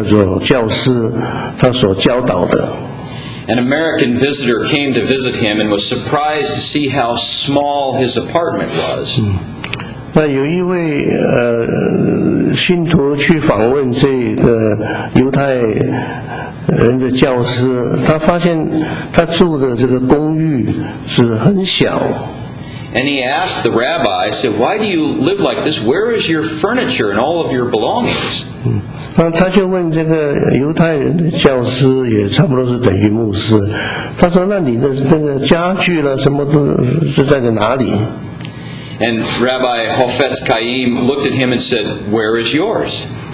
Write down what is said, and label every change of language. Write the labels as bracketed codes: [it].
[zh] 犹太人那个叫做教师，他所教导的。 [en] An American visitor came to visit him and was surprised to see how small his apartment was. [zh] 那有一位信徒去访问这个犹太人的教师，他发现他住的这个公寓是很小。 [en] And he asked the rabbi, I said, why do you live like this? Where is your furniture and all of your belongings? [zh] 他就问这个犹太人的教师，也差不多是等于牧师，他说那你的那个家具了什么都是在哪里？ [en] And Rabbi Hofetz Chaim looked at him and said, where is yours?